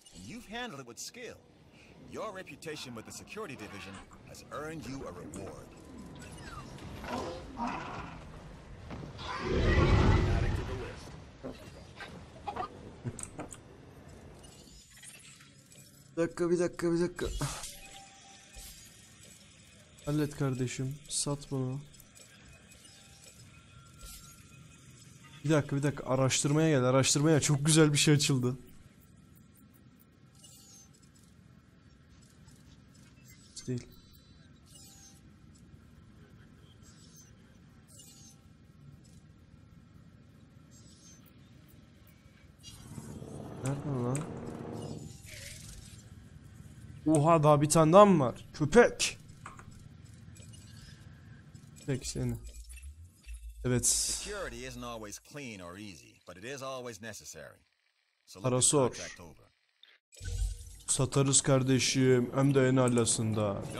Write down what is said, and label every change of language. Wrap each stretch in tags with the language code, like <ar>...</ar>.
<en>You've handled it with skill. Your reputation with the security division has earned you a reward.</en> <tr>Dakika, bir dakika, bir dakika. Hallet kardeşim, sat bunu. Bir dakika, bir dakika. Araştırmaya gel, araştırmaya. Çok güzel bir şey açıldı. Değil. Nerede lan? Oha, daha bir tane daha mı var? Köpek! Peki seni. Evet.</tr> <en>Security isn't always clean or easy, but it is always necessary.</en> <tr>Para sor. Satarız kardeşim, hem de en alasında.</tr>